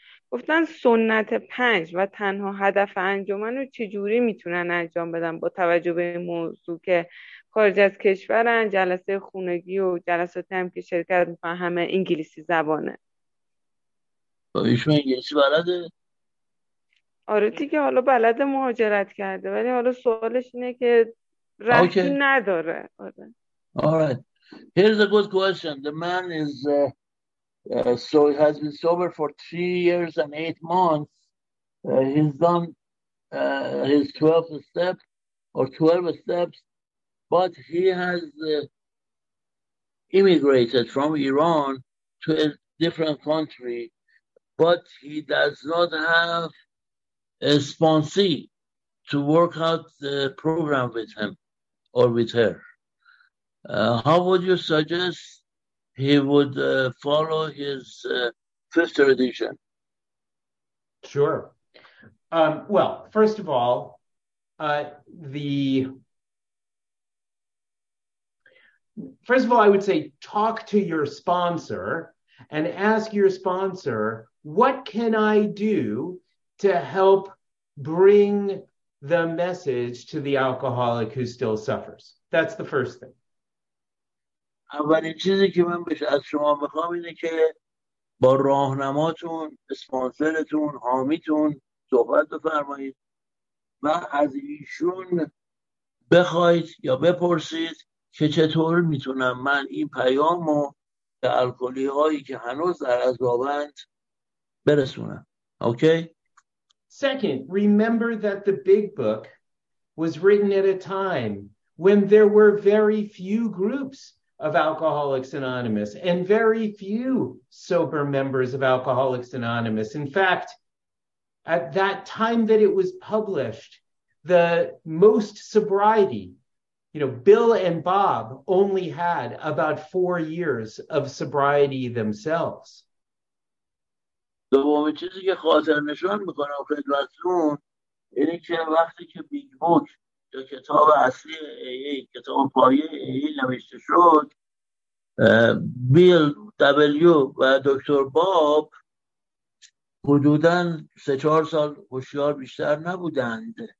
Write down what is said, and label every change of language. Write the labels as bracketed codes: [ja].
[fa] گفتن سنت پنج و تنها هدف انجمن رو چجوری میتونن انجام بدن با توجه به این موضوع که خارج از کشورن، جلسه خونگی و جلساتی هم که شرکت میکنن همه انگلیسی زبانه. با ایشون انگلیسی بلده؟ آره دیگه، حالا بلد مهاجرت کرده، ولی حالا سوالش اینه که [en] Okay. [fa] رهجو نداره. آره [en] Alright. Here's a good question. The man is so he has been sober for 3 years and 8 months. He's done his 12th step or 12 steps, but he has immigrated from Iran to a different country, but he does not have a sponsee to work out the program with him or with her. How would you suggest he would follow his fifth tradition? Sure. Well, first of all, I would say talk to your sponsor and ask your sponsor, what can I do to help bring the message to the alcoholic who still suffers? That's the first thing. [fa] اولین چیزی که من بهش از شما میخوام اینه که با راهنماتون، اسپانسرتون، حامیتون صحبت بفرمایید و از ایشون بخواید یا بپرسید که چطور میتونم من این پیامو به الکلی هایی که هنوز در عذابند برسونم. [en] Okay? Second, remember that the big book was written at a time when there were very few groups of Alcoholics Anonymous and very few sober members of Alcoholics Anonymous. In fact, at that time that it was published, the most sobriety, you know, Bill and Bob only had about 4 years of sobriety themselves. [fa] دومین چیزی که خاطر نشان میکنم خدمتتون اینه که وقتی که بیگ بوک یا کتاب اصلی ای کتاب پایه ای نوشته شد، بیل دبلیو و دکتر باب حدوداً 3-4 سال هوشیار بیشتر نبودند.